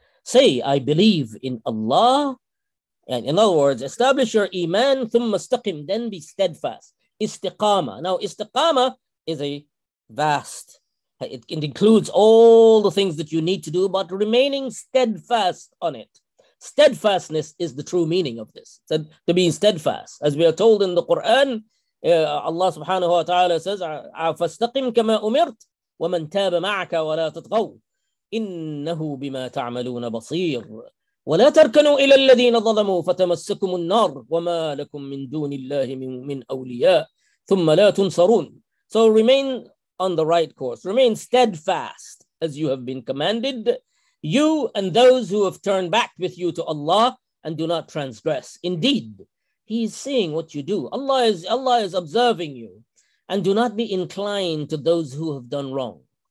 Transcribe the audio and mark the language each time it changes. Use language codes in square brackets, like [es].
[en] Say, I believe in Allah. And in other words, establish your iman, [ar] ثُمَّ اسْتَقِمْ. [en] Then be steadfast. Istiqama. Now, istiqama is a vast. It includes all the things that you need to do, but remaining steadfast on it. Steadfastness is the true meaning of this. To be steadfast, as we are told in the Quran, Allah subhanahu wa ta'ala says, [ar] فَاسْتَقِمْ كَمَا أُمِرْتْ وَمَنْ تَابَ مَعَكَ وَلَا تَطْغَوْا إِنَّهُ بِمَا تَعْمَلُونَ بَصِيرٌ وَلَا تَرْكَنُوا إِلَى الَّذِينَ ظَلَمُوا فَتَمَسَّكُمُ النَّارُ وَمَا لَكُم مِّن دُونِ اللَّهِ مِنْ أَوْلِيَاءَ ثُمَّ لَا تُنصَرُونَ. [en] So remain on the right course, remain steadfast as you have been commanded. You and those who have turned back with you to Allah, and do not transgress. Indeed, He is seeing what you do. Allah is observing you, and do not be inclined to those who have done wrong.